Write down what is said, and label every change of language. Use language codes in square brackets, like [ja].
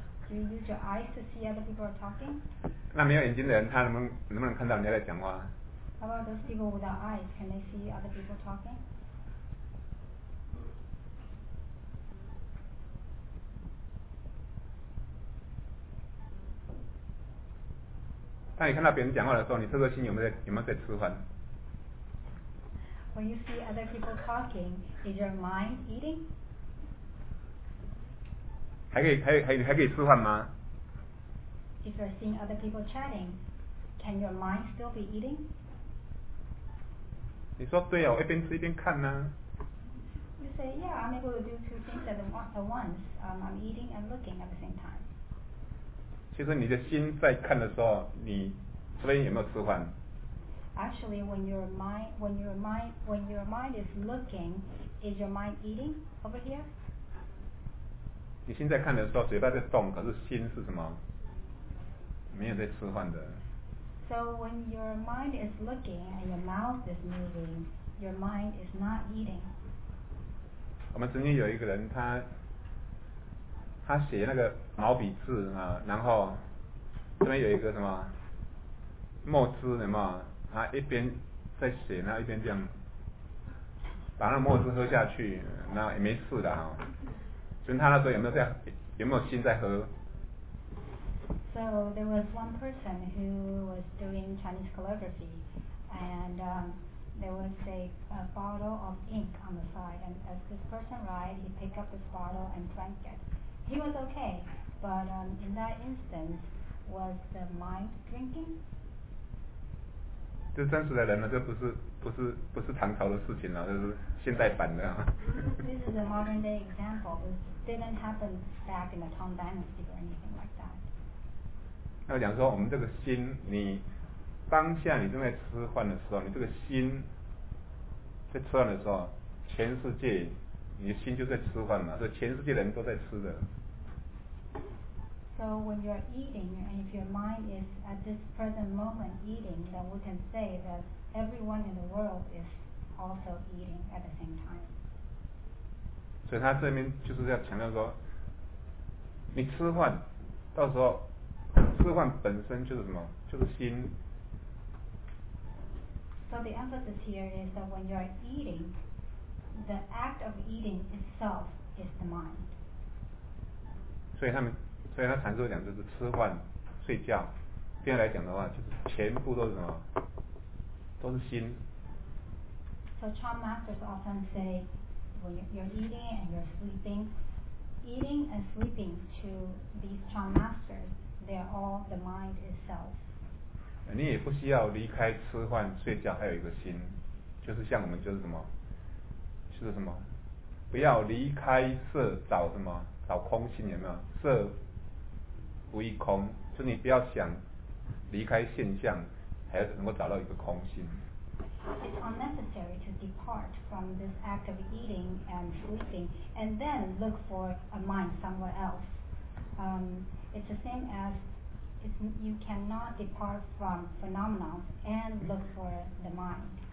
[en] Do you use your eyes to see other people are talking? [zh] 那没有眼睛的人，他能不能看到你在讲话 [en] ？How about those people without eyes? Can they see other people talking? [zh] 当你看到别人讲话的时候，你这颗心有没有在吃饭 [en] ？When you see other people talking, is your mind eating? [zh] 还可以吃饭吗 [en] ？If you're seeing other people chatting, can your mind still be eating? [zh] 你说对哦，一边吃一边看呢、啊。 [en] You say, yeah, I'm able to do two things at once. I'm eating and looking at the same time. [zh] 其实你的心在看的时候，你这边有没有吃饭 [en] ？Actually, when your mind is looking, is your mind eating over here? [zh] 你心在看的时候，嘴巴在动，可是心是什么？没有在吃饭的。 [en] So when your mind is looking and your mouth is moving, your mind is not eating. [zh] 我们曾经有一个人，他写那个毛笔字啊，然后这边有一个什么墨汁，有没有？他一边在写，然后一边这样把那墨汁喝下去，那也没事的哈。所以他那时候有没有心在喝 [en] ？So there was one person who was doing Chinese calligraphy, and there was a bottle of ink on the side, and as this person write, he picked up this bottle and drank it. He was okay, but in that instance, was the mind drinking? [zh] 这真实的人呢，这不是唐朝的事情了，这是现代版的。 [en] This is a modern day example. This didn't happen back in the Tang Dynasty or anything like that. [zh] 要讲说，我们这个心，你当下你正在吃饭的时候，你这个心在吃饭的时候，全世界。你心就在吃饭嘛，所以全世界的人都在吃的。 [en] So when you're eating, and if your mind is at this present moment eating, then we can say that everyone in the world is also eating at the same time. [zh] 所以他这边就是要强调说，你吃饭，到时候吃饭本身就是什么，就是心。 [en] So the emphasis here is that when you're eating. The act of eating itself is the mind. [zh] 所以他阐述讲就是吃饭、睡觉，这样来讲的话，就是全部都是什么，都是心。 [en] So Chan masters often say, when you're eating and you're sleeping, eating and sleeping to these Chan masters, they're all the mind itself. [zh] 你也不需要离开吃饭、睡觉，还有一个心，就是像我们就是什么。就是什么？不要离开色找什么？找空性有没有？色不异空，就你不要想离开现象，还要能够找到一个空性。 [en] It's unnecessary to depart from this act of eating and sleeping, and then look for a mind somewhere else. It's the same as you cannot depart from phenomena and look for the mind.